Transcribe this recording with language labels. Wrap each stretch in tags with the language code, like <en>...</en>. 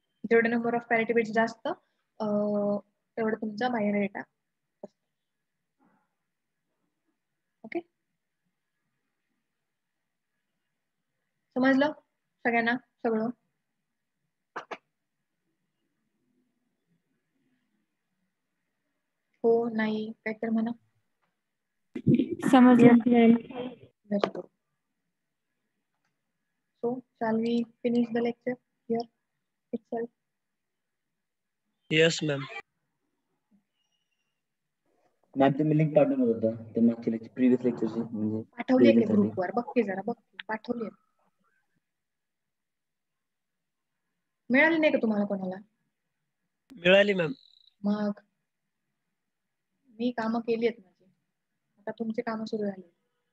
<mr>जेवढे number of parity bits जास्त तेवढं तुमचा बायनरी डेटा ओके समजलं सगळ्यांना सगळं हो नाही काहीतरी म्हणा</mr> <hi>समझ लो ma'am.</hi> <en>So shall we finish the lecture here itself. Yes ma'am.</en> <mr>Link पाठवलं होतं ते मागच्या लेक्चर प्रीवियस लेक्चर चे म्हणजे पाठवले ग्रुपवर बघते जरा बघ पाठवले मिळाली नाही का तुम्हाला कोणाला मिळाली मॅम मग मी कामं केली आहेत माझी आता तुमचे कामं सुरू झाली.</mr>